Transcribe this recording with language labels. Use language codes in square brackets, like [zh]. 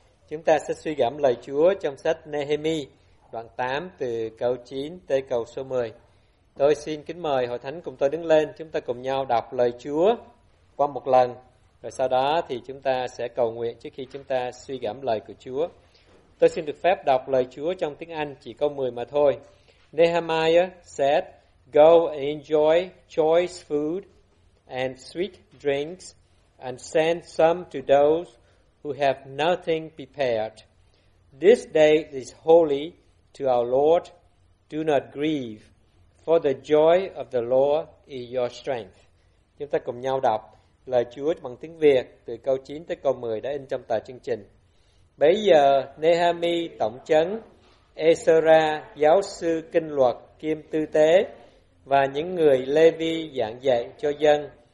[vi] Chúng ta sẽ suy gẫm lời Chúa trong sách Nehemi, đoạn 8 từ câu 9 tới câu số 10. Tôi xin kính mời Hội Thánh cùng tôi đứng lên, chúng ta cùng nhau đọc lời Chúa qua một lần, rồi sau đó thì chúng ta sẽ cầu nguyện trước khi chúng ta suy gẫm lời của Chúa. Tôi xin được phép đọc lời Chúa trong tiếng Anh chỉ câu 10 mà thôi. [en] Nehemiah said, "Go and enjoy choice food and sweet drinks and send some to those who have nothing prepared. This day is holy to our Lord. Do not grieve, for the joy of the Lord is your strength." [vi] Chúng ta cùng nhau đọc lời Chúa bằng tiếng Việt từ câu 9 tới câu 10 đã in trong tờ chương trình. Bấy giờ Nehemi tổng trấn, Ezra giáo sư kinh luật kiêm tư tế và những người Lê-vi giảng dạy cho dân.